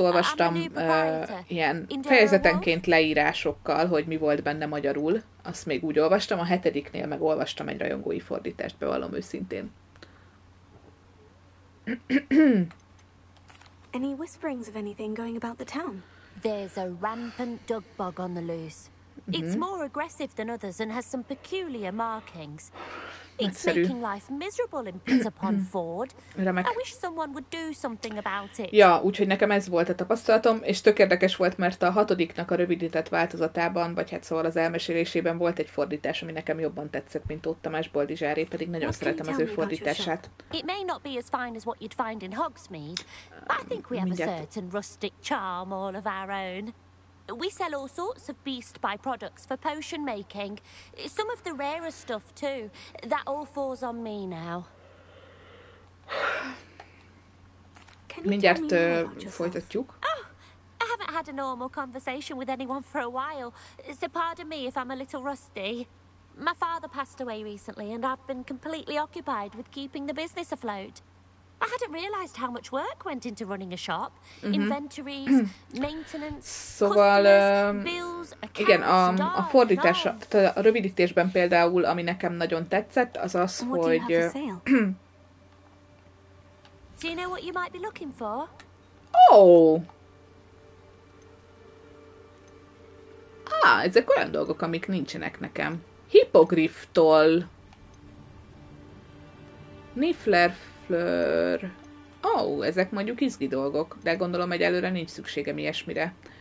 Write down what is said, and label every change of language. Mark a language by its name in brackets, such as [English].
[Hungarian] olvastam ilyen fejezetenként leírásokkal, hogy mi volt benne magyarul. Azt még úgy olvastam, a 7. meg olvastam egy rajongói fordítást, bevallom őszintén. [English] Any whisperings of anything going about the town? There's a rampant dog bug on the loose. It's more aggressive than others and has some peculiar markings. It's making life miserable in Pitterpond Ford. [Hungarian] Remek. [English] I wish someone would do something about it. [Hungarian] Ja, úgyhogy nekem ez volt a tapasztalatom, és tök érdekes volt, mert a 6. a rövidített változatában, vagy hát szóval az elmesélésében volt egy fordítás, ami nekem jobban tetszett, mint ott Tamás Boldizsáré, pedig nagyon szeretem az ő fordítását. [English] It may not be as fine as what you'd find in Hogsmeade, but I think we have a certain rustic charm all of our own. We sell all sorts of beast byproducts for potion making. Some of the rarer stuff too. That all falls on me now. [Hungarian] Mindjárt folytatjuk. [English] Oh, I haven't had a normal conversation with anyone for a while. So pardon me if I'm a little rusty. My father passed away recently and I've been completely occupied with keeping the business afloat. I hadn't realized how much work went into running a shop. Inventories, maintenance, [Hungarian] szóval, [English] bills, accounts, [Hungarian] igen, a fordítás, a rövidítésben például, ami nekem nagyon tetszett, az az, hogy... [English] Do you know what you might be looking for? Oh! [Hungarian] Ah, ezek olyan dolgok, amik nincsenek nekem. Hippogrifftól. Niffler. Flör. Ó, oh, ezek mondjuk izgi dolgok, de gondolom egyelőre nincs szükségem ilyesmire.